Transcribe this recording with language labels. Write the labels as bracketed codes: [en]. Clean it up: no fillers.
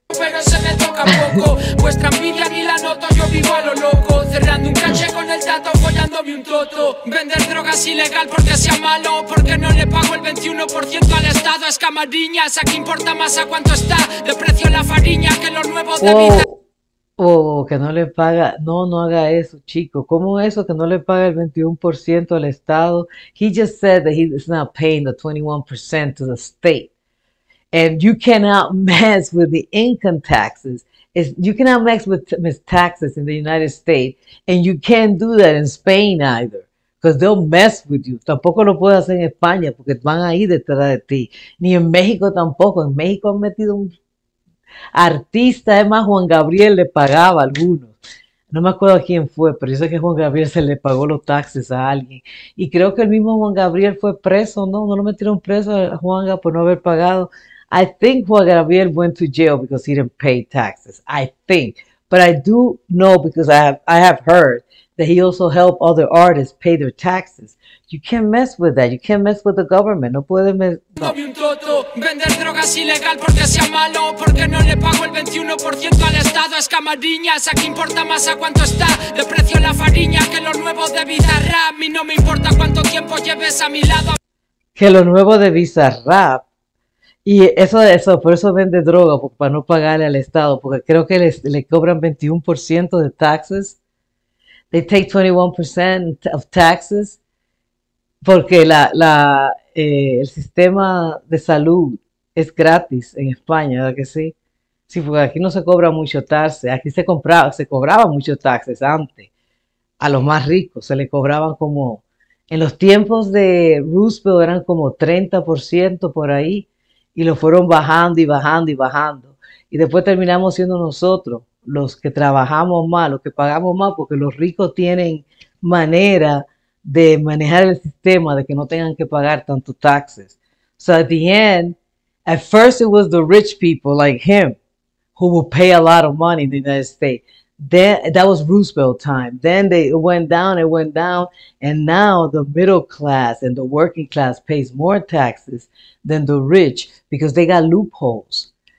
[es] Pero se me toca poco, vuestra envidia ni la noto, yo vivo a lo loco, cerrando un caché con el tato, follándome un toto, vender drogas ilegal porque sea malo, porque no le pago el 21% al Estado, a Escamariñas, a qué importa más a cuánto está, de precio la fariña, que lo nuevo de vida. Wow. Oh, que no le paga, no, no haga eso, chico. ¿Cómo eso que no le paga el 21% al Estado? [en] He just said that he is not paying the 21% to the state. And you cannot mess with the income taxes. You cannot mess with taxes in the United States. And you can't do that in Spain either. Because they'll mess with you. [es] Tampoco lo puedes hacer en España porque van a ir detrás de ti. Ni en México tampoco. En México han metido un artista, además Juan Gabriel le pagaba a algunos. No me acuerdo a quién fue, pero yo sé que Juan Gabriel se le pagó los taxes a alguien. Y creo que el mismo Juan Gabriel fue preso, ¿no? No lo metieron preso a Juanga por no haber pagado. [en] I think Juan Gabriel went to jail because he didn't pay taxes. I think. But I do know because I have heard that he also helped other artists pay their taxes. You can't mess with that. You can't mess with the government. [es] No puede mes Dame no. un toto, vender drogas ilegal porque sea malo, porque no le pago el 21% al Estado, a Escamariñas, a qué importa más a cuánto está, de precio la fariña, que lo nuevo de Bizarrap, a mí no me importa cuánto tiempo lleves a mi lado. Que lo nuevo de Bizarrap, y eso, por eso vende droga, para no pagarle al Estado, porque creo que le cobran 21% de taxes. [en] They take 21% of taxes, [es] porque el sistema de salud es gratis en España, ¿verdad que sí? Sí, porque aquí no se cobra mucho taxes, aquí se cobraba mucho taxes antes, a los más ricos, se le cobraban como. En los tiempos de Roosevelt eran como 30% por ahí y lo fueron bajando y bajando y bajando. Y después terminamos siendo nosotros los que trabajamos más, los que pagamos más, porque los ricos tienen manera de manejar el sistema, de que no tengan que pagar tanto taxes. [en] So at the end, at first it was the rich people like him who would pay a lot of money in the United States. Then that was Roosevelt time. Then they it went down, and now the middle class and the working class pays more taxes than the rich because they got loopholes.